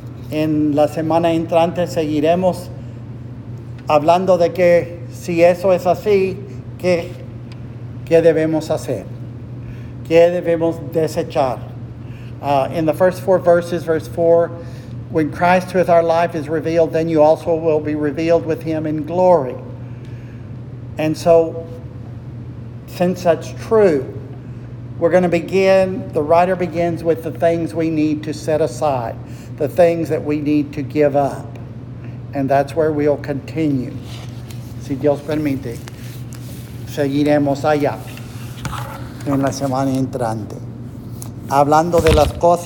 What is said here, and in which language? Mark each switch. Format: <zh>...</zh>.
<es>En la semana entrante seguiremos hablando de que si eso es así, ¿qué debemos hacer? ¿Qué debemos desechar?</es> <en>In the first four verses, verse 4, when Christ, who is our life, is revealed, then you also will be revealed with him in glory. And so, since that's true, we're going to begin, the writer begins with the things we need to set aside, the things that we need to give up. And that's where we'll continue.</en> <es>Si Dios permite, seguiremos allá en la semana entrante. Hablando de las cosas.</es>